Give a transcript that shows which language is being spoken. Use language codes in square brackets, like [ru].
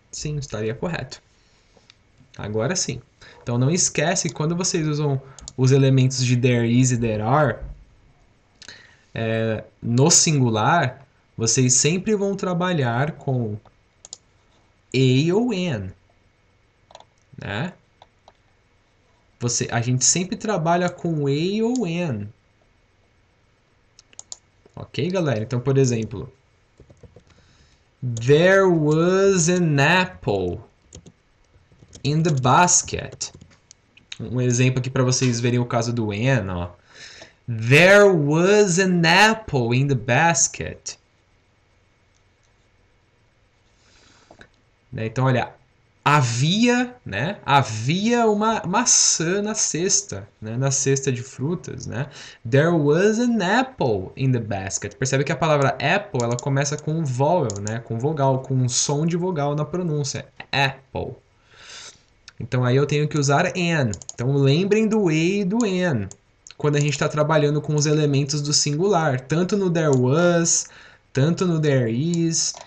[pt] Sim, estaria correto. Agora sim. Então não esquece, quando vocês usam os elementos de there is e there are, no singular, vocês sempre vão trabalhar com a ou an, né? A gente sempre trabalha com a ou an. Ok, galera? Então, por exemplo, [en] there was an apple in the basket. [pt] Um exemplo aqui para vocês verem o caso do an, ó. [en] There was an apple in the basket. [pt] Né? Então, olha, havia, né? Havia uma maçã na cesta, né? Na cesta de frutas, né? [en] There was an apple in the basket. [pt] Percebe que a palavra apple, ela começa com vowel, né? Com vogal, com um som de vogal na pronúncia. Apple. Então aí eu tenho que usar an. Então lembrem do a e do an quando a gente está trabalhando com os elementos do singular, tanto no there was, tanto no there is.